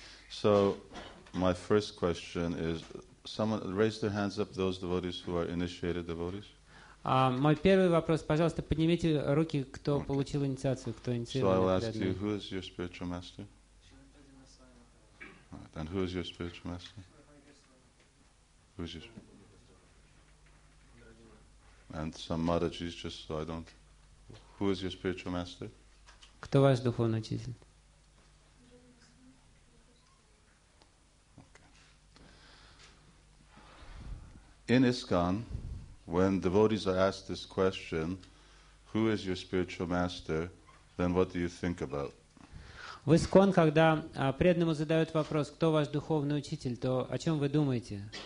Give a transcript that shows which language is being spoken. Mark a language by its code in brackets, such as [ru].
[en] So, my first question is, someone raise their hands up, those devotees who are initiated devotees. [ru] Мой первый вопрос, пожалуйста, поднимите руки, кто получил инициацию, кто инициирован. [en] So I'll ask you, who is your spiritual master? Right, and who is your spiritual master? Who is your? And some Matajis, just so I don't. Who is your spiritual master? [ru] Кто ваш духовный учитель? [en] In ISKCON, when devotees are asked this question, who is your spiritual master, then what do you think about? [ru] В ISKCON, когда преданному задают вопрос, кто ваш духовный учитель, то о чем вы думаете?